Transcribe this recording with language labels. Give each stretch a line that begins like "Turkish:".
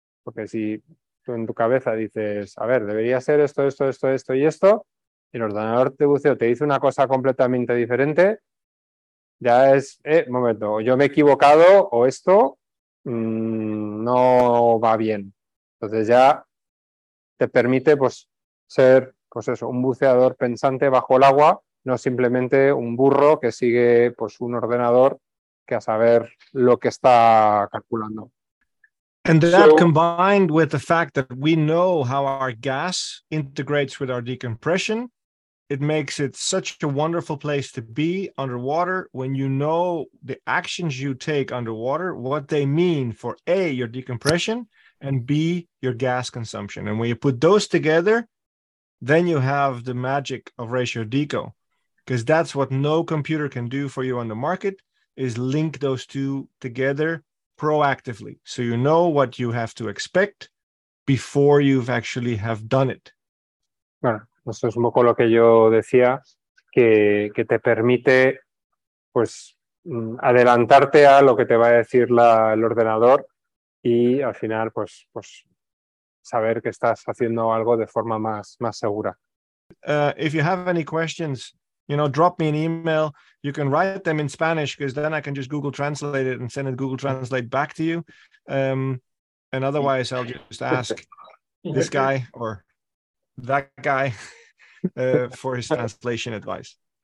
Spanish: Porque si tú en tu cabeza dices, a ver, debería ser esto, esto, esto, esto y esto, y el ordenador de buceo te dice una cosa completamente diferente, ya es, momento, yo me he equivocado o esto no va bien. Entonces ya te permite pues, ser pues eso, un buceador pensante bajo el agua, no simplemente un burro que sigue pues, un ordenador que a saber lo que está calculando.
English: And that combined with the fact that we know how our gas integrates with our decompression, it makes it such a wonderful place to be underwater when you know the actions you take underwater, what they mean for A, your decompression, and B, your gas consumption. And when you put those together, then you have the magic of RatioDeco, because that's what no computer can do for you on the market, is link those two together proactively, so you know what you have to expect before you've actually have done it.
Spanish: Bueno, eso es un poco lo que yo decía, que te permite pues adelantarte a lo que te va a decir el ordenador y al final pues saber que estás haciendo algo de forma más segura.
English: If you have any questions, you know, drop me an email. You can write them in Spanish because then I can just Google Translate it and send it Google Translate back to you. And otherwise, I'll just ask this guy or that guy for his translation advice.